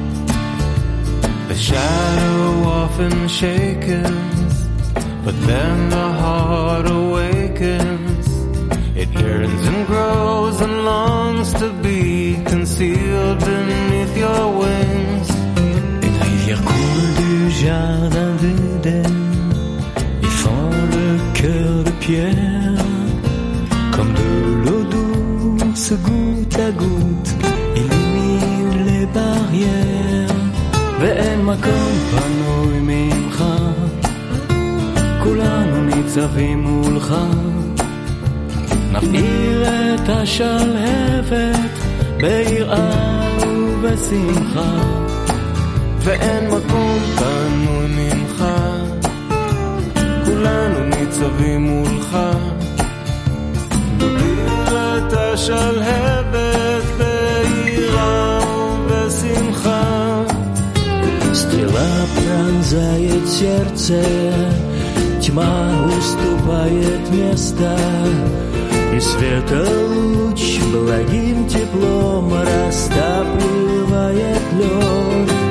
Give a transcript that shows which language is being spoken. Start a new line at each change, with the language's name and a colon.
English: Shadow often shakens, but then the heart awakens. It yearns and grows and longs to be concealed beneath your wings.
French: Une rivière coule du jardin d'Eden, y fend le cœur de pierre. Comme de l'eau douce, goutte à goutte, illumine les barrières.
Hebrew: ואין מקום פנוי ממך, כולנו ניצבים מולך. נפעיל את השלהבת ביראה ובשמחה. ואין מקום פנוי ממך, כולנו ניצבים מולך. נפעיל את השלהבת ביראה ובשמחה.
Russian: Стрела пронзает сердце, тьма уступает место, и светолуч благим теплом растапливает лед.